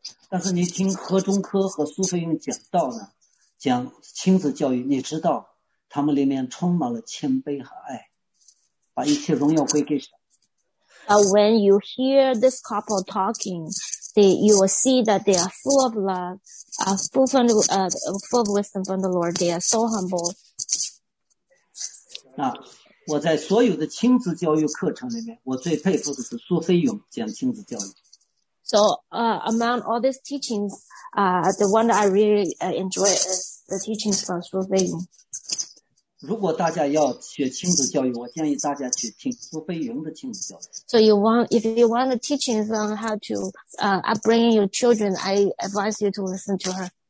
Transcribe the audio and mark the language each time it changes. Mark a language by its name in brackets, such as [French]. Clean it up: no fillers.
[Chinese] 但是你听何中科和苏菲云讲道呢，讲亲子教育，你知道。他们里面充满了谦卑和爱，把一切荣耀归给神。 [English] When you hear this couple talking, you will see that they are full of love, full of wisdom from the Lord. They are so humble. [Chinese] 那我在所有的亲子教育课程里面，我最佩服的是苏菲勇讲亲子教育。 [English] So, among all these teachings, the one that I really enjoy is the teachings from Su Fei Yun. [Chinese] 如果大家要学亲子教育，我建议大家去听苏菲云的亲子教育。 [English] So you want, if you want the teachings on how to upbringing your children, I advise you to listen to her.